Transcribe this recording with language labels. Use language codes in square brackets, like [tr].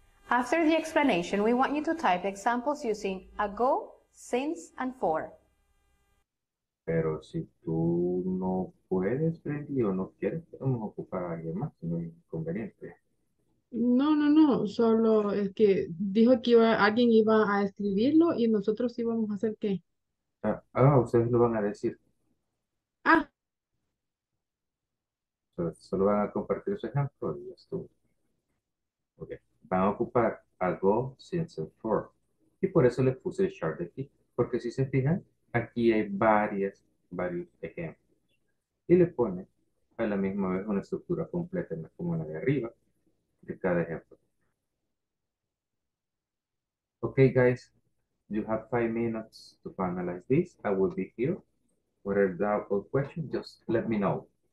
[en] After the explanation, we want you to type examples using ago, since, and for. [es] Pero si tú no puedes, Freddy, o no quieres, podemos ocupar a alguien más, no es inconveniente. No, no, no, solo es que dijo que iba, alguien iba a escribirlo y nosotros íbamos a hacer qué. Ah, ustedes lo van a decir. Ah. Solo van a compartir su ejemplo y ya estuvo. Ok, van a ocupar algo since and for. Y por eso les puse el chart aquí, porque si se fijan, aquí hay varios ejemplos. Y le pone a la misma vez una estructura completa, como la de arriba, de cada ejemplo. [en] Ok, guys, you have 5 minutes to finalize this. I will be here. Whatever doubt or question, just let me know.